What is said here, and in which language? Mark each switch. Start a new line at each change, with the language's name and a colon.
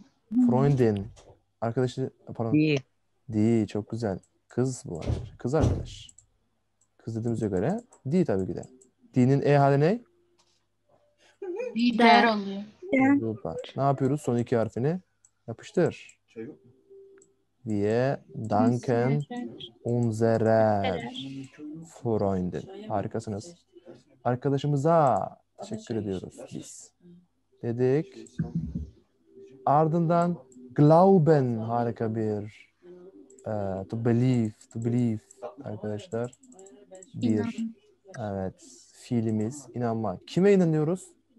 Turkish: Freundin. Arkadaşı, pardon.
German: Die.
Turkish: Die, çok güzel. Kız bu arkadaş. Kız arkadaş. Kız dediğimize göre. Die tabii ki de. Die'nin E hali ne? Die der oluyor. Super. Ne yapıyoruz? Son iki harfini yapıştır. Şey yok mu?
German: Die danken unserer Freundin.
Turkish: Harikasınız. Arkadaşımıza teşekkür ediyoruz biz. Dedik. Ardından glauben, harika bir
English: to believe
Turkish: arkadaşlar. Bir evet fiilimiz inanmak. Kime inanıyoruz?